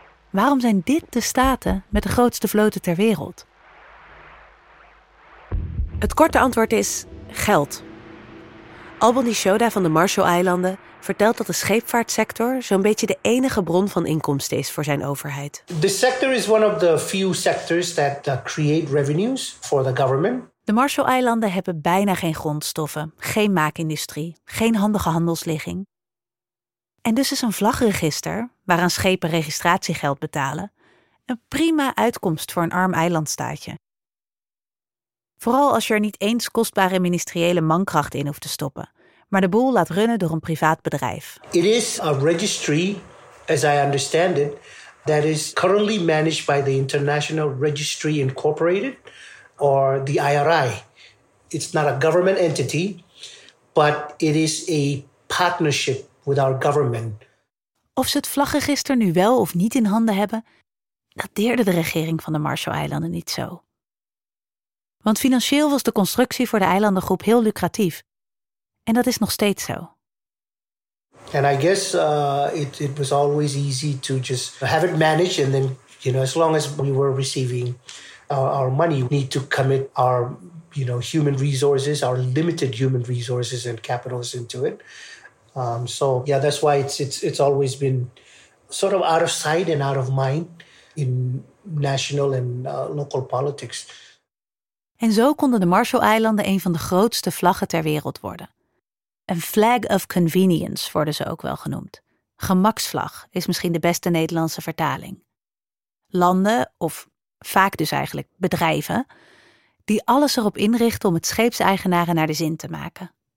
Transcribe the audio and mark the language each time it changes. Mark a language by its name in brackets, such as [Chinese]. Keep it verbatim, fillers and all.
[Dutch] Waarom zijn dit de staten met de grootste vloten ter wereld? Het korte antwoord is geld. Albany Shoda van de Marshall-eilanden vertelt dat de scheepvaartsector zo'n beetje de enige bron van inkomsten is voor zijn overheid. [English] The sector is one of the few sectors that create revenues for the government. [Dutch] De Marshall-eilanden hebben bijna geen grondstoffen, geen maakindustrie, geen handige handelsligging. En dus is een vlagregister, waaraan schepen registratiegeld betalen, een prima uitkomst voor een arm eilandstaatje. Vooral als je er niet eens kostbare ministeriële mankracht in hoeft te stoppen, maar de boel laat runnen door een privaat bedrijf. [English] It is a registry, as I understand it, that is currently managed by the International Registry Incorporated, or the I R I. It's not a government entity, but it is a partnership with our government. [Dutch] Of ze het vlagregister nu wel of niet in handen hebben, dat deerde de regering van de Marshall-eilanden niet zo. Want financieel was de constructie voor de eilandengroep heel lucratief. En dat is nog steeds zo. [English] And I guess uh, it, it was always easy to just have it managed, and then, you know, as long as we were receiving our, our money, we need to commit our, you know, human resources, our limited human resources and capitals into it. Um, so yeah, that's why it's it's it's always been sort of out of sight and out of mind in national and uh, local politics. [Dutch] En zo konden de Marshall-eilanden een van de grootste vlaggen ter wereld worden. Een [English] flag of convenience [Dutch] worden ze ook wel genoemd. Gemaksvlag is misschien de beste Nederlandse vertaling. Landen, of vaak dus eigenlijk bedrijven, die alles erop inrichten om het scheepseigenaren naar de zin te maken.